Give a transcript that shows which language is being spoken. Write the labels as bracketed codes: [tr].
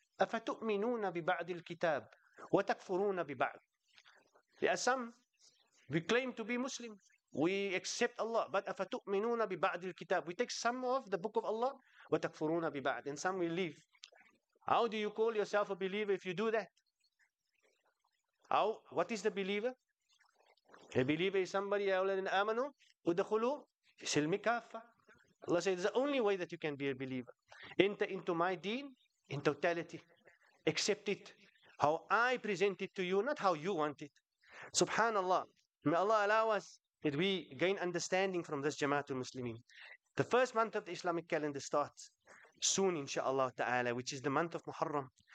[ar] أفتؤمنون ببعض الكتاب وتكفرون ببعض؟ [en] There are some, we claim to be Muslim. We accept Allah, but [ar] أفتؤمنون ببعض الكتاب؟ [en] We take some of the book of Allah [ar] وتكفرون ببعض. [en] And some we leave. How do you call yourself a believer if you do that? How? What is the believer? A believer is somebody [ar] الذين آمنوا ودخلوا في سلم كافة. [en] Allah says, the only way that you can be a believer. Enter into my deen in totality. Accept it. How I present it to you, not how you want it. Subhanallah. May Allah allow us that we gain understanding from this Jamaatul Muslimin. The first month of the Islamic calendar starts soon, inshaAllah ta'ala, which is the month of Muharram.